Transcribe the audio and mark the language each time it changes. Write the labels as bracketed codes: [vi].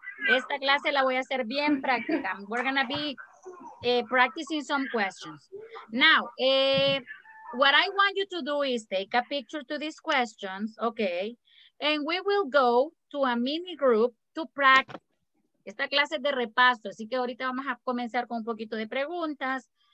[es] Esta clase la voy a hacer bien práctica. [en] We're gonna be practicing some questions. Now, what I want you to do is take a picture to these questions, okay? And we will go to a mini group to practice. [es] Esta clase es de repaso, así que ahorita vamos a comenzar con un poquito de preguntas.